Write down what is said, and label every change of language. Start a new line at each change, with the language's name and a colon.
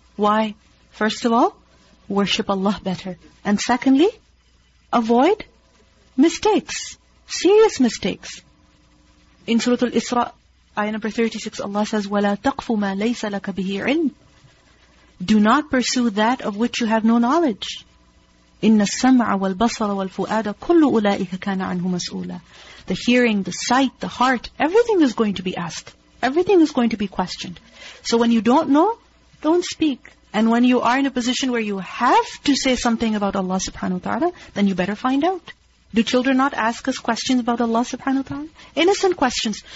English: Why, first of all, worship Allah better? And secondly, avoid mistakes, serious mistakes. In Surah Al-Isra, ayah number 36, Allah says,
Arabic: وَلَا تَقْفُ مَا لَيْسَ لَكَ بِهِ عِلْمٍ.
English: Do not pursue that of which you have no knowledge.
Arabic: إِنَّ السَّمْعَ وَالْبَصَرَ وَالْفُؤَادَ كُلُّ أُولَٰئِكَ كَانَ عَنْهُ مَسْؤُولًا.
English: The hearing, the sight, the heart, everything is going to be asked. Everything is going to be questioned. So when you don't know, don't speak. And when you are in a position where you have to say something about Allah subhanahu wa ta'ala, then you better find out. Do children not ask us questions about Allah subhanahu wa ta'ala? Innocent questions.